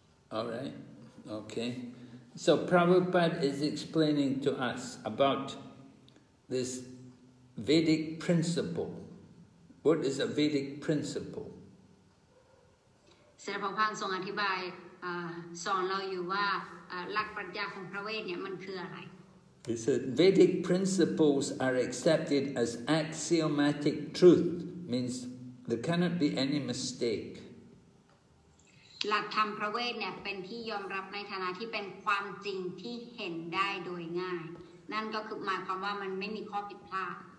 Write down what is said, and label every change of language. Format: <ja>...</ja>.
<en>All right okay so Prabhupada is explaining to us about this Vedic principleWhat is a Vedic principle?</en> <th>ศาสดาพันธ์ทรงอธิบายสอนเราอยู่ว่าหลักปรัชญาของพระเวทเนี่ยมันคืออะไร</th> <en>He said Vedic principles are accepted as axiomatic truth means there cannot be any mistake.</en> <th>หลักธรรมพระเวทเนี่ยเป็นที่ยอมรับในฐานะที่เป็นความจริงที่เห็นได้โดยง่ายนั่นก็คือหมายความว่ามันไม่มีข้อผิดพลาด</th>